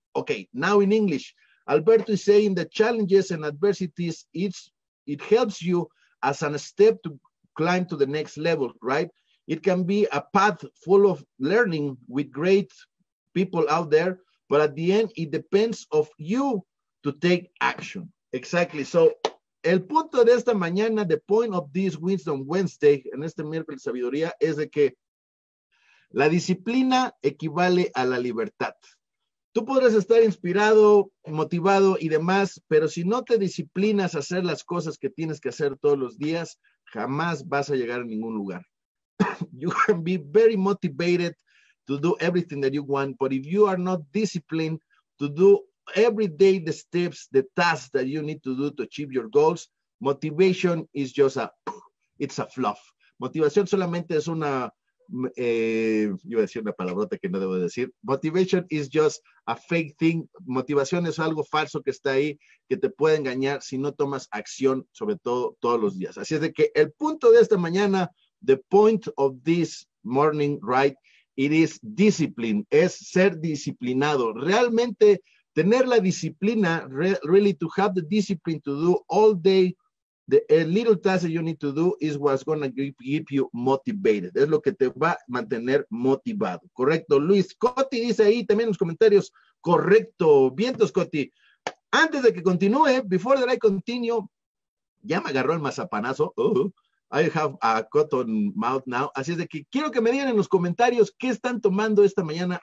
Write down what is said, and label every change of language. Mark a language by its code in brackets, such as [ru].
[en] Okay, now in English. Alberto is saying the challenges and adversities, it helps you as a step to climb to the next level, right? It can be a path full of learning with great people out there, but at the end, it depends of you to take action. Exactly. So, [es] el punto de esta mañana, [en] the point of this Wisdom Wednesday, [es] en este miércoles de sabiduría, es de que La disciplina equivale a la libertad. Tú podrás estar inspirado, motivado y demás, pero si no te disciplinas a hacer las cosas que tienes que hacer todos los días, jamás vas a llegar a ningún lugar. [en] You can be very motivated to do everything that you want, but if you are not disciplined to do every day the steps, the tasks that you need to do to achieve your goals, motivation is just it's a fluff. [es] Motivación solamente es una... yo iba a decir una palabrota que no debo decir. [en] Motivation is just a fake thing. [es] Motivación es algo falso que está ahí, que te puede engañar si no tomas acción, sobre todo todos los días. Así es de que el punto de esta mañana, [en] the point of this morning, right, it is discipline, [es] es ser disciplinado. Realmente tener la disciplina, [en] really to have the discipline to do all day, the little task that you need to do is what's going to keep you motivated. [es] Es lo que te va a mantener motivado. Correcto, Luis. Coti dice ahí también en los comentarios. Correcto. Vientos, Coti. Antes de que continúe, [en] before that I continue, [es] ya me agarró el mazapanazo. [en] I have a cotton mouth now. [es] Así es de que quiero que me digan en los comentarios qué están tomando esta mañana.